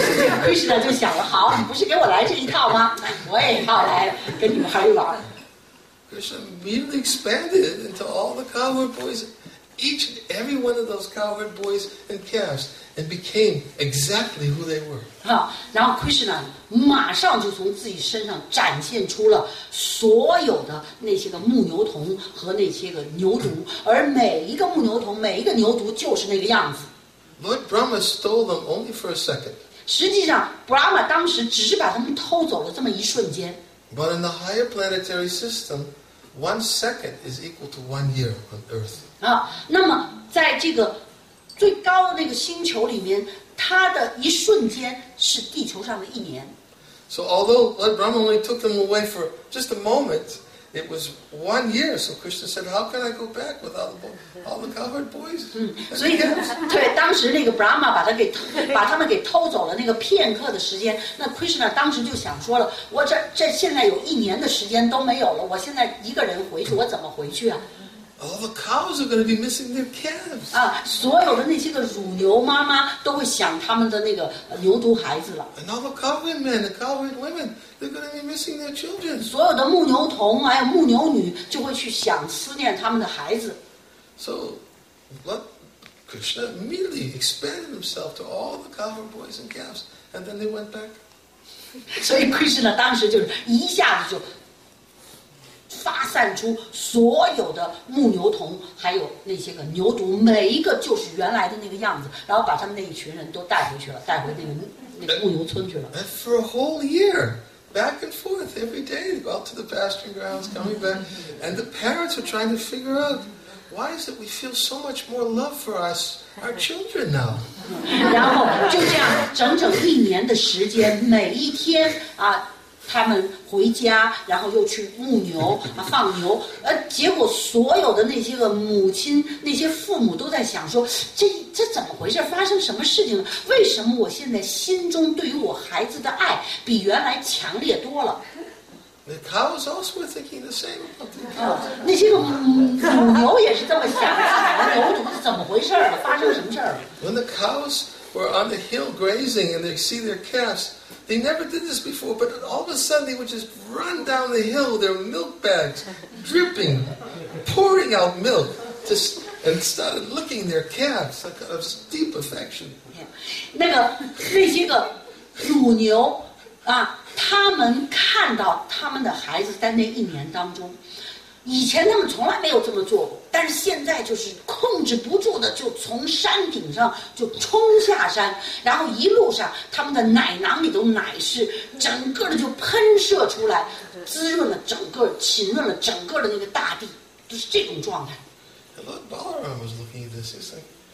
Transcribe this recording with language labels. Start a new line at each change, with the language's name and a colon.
Chinese: 所以Krishna 就想了，好，你不是给我来这一套吗？我也要来跟你玩一玩。
English: Krishna immediately expanded into all the cowherd boys, each and every one of those cowherd boys and calves, and became exactly who they were.
Chinese: 然后 Krishna 马上就从自己身上展现出了所有的那些个牧牛童和那些个牛犊，而每一个牧牛童、每一个牛犊就是那个样子。
English: Lord Brahma stole them only for a second.
Chinese: 实际上 ，Brahma 当时只是把他们偷走了这么一瞬间。
English: But in the higher planetary system, 1 second is equal to 1 year on Earth.
Chinese: 那么在这个最高的那个星球里面，它的一瞬间是地球上的一年。
English: So although Lord Brahma only took them away for just a moment, it was 1 year. So Krishna said, "How can I go back with all the covered boys?"
Chinese: 所以对当时那个 Brahma 把他们给偷走了那个片刻的时间，那 Krishna 当时就想说了，我这现在有一年的时间都没有了，我现在一个人回去，我怎么回去啊？
English: All the cows are going to be missing their calves.
Chinese: 所有的那些个乳牛妈妈都会想他们的那个牛犊孩子了。
English: And all the cowherd men, the cowherd women, they're going to be missing their children.
Chinese: 所有的牧牛童还有牧牛女就会去想思念他们的孩子。
English: So, what Krishna immediately expanded himself to all the cowherd boys and calves, and then they went back.
Chinese: 所以 Krishna 当时就是一下子就发散出所有的牧牛童还有那些个牛犊，每一个就是原来的那个样子，然后把他们那一群人都带回去了，带回那个牧牛村去了。
English: And for a whole year, back and forth every day, go out to the pasturing grounds, coming back, and the parents are trying to figure out why is it we feel so much more love for us, our children now.
Chinese: 然后就这样整整一年的时间，每一天啊。他们回家，然后又去牧牛放牛，结果所有的那些个母亲、那些父母都在想说，这怎么回事？发生什么事情了？为什么我现在心中对于我孩子的爱比原来强烈多了
English: ？The cows also were thinking the same.
Chinese: 那些个母牛也是这么想的，牛犊是怎么回事了？发生什么事了
English: ？When the cows were on the hill grazing and they see their calves. They never did this before, but all of a sudden they would just run down the hill, their milk bags dripping, pouring out milk, and started licking their calves, a kind of deep affection.
Chinese: 那些个乳牛啊，他们看到他们的孩子在那一年当中，以前他们从来没有这么做过，但是现在就是控制不住的，就从山顶上就冲下山，然后一路上他们的奶囊里头奶是整个的就喷射出来，滋润了整个，浸润了整个的那个大地，就是这种状态。
English: Lord Balaram was looking at this, he's like,